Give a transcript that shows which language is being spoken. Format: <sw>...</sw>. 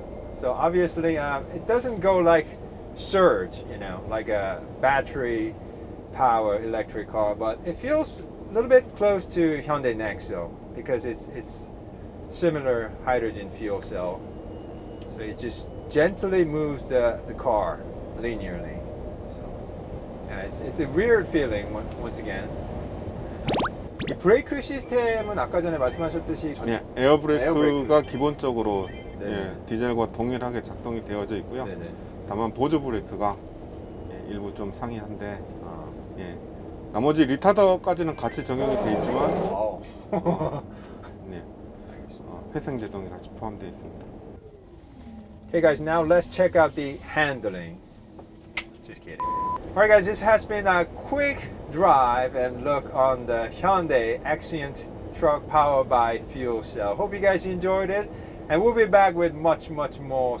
<en>So obviously it doesn't go like surge, you know, like a battery power electric car, but it feels a little bit close to Hyundai Nexo because it's similar hydrogen fuel cell, so it just gently moves the car linearly. So yeah, it's a weird feeling once again.</en> <ko>이 브레이크 시스템은 아까 전에 말씀하셨듯이 에어브레이크가 기본적으로 네. 예, 디젤과 동일하게 작동이 되어져 있고요. 네네. 다만 보조 브레이크가 예, 일부 좀 상이한데. 예, 나머지 리타더까지는 같이 적용이 되어 있지만, 네, 회생 제동이 같이 포함되어 있습니다.</ko> <en>Hey guys, now let's check out the handling. Just kidding. All right guys, this has been a quick drive and look on the Hyundai Accent truck powered by fuel cell. Hope you guys enjoyed it. And we'll be back with much, much more.</en>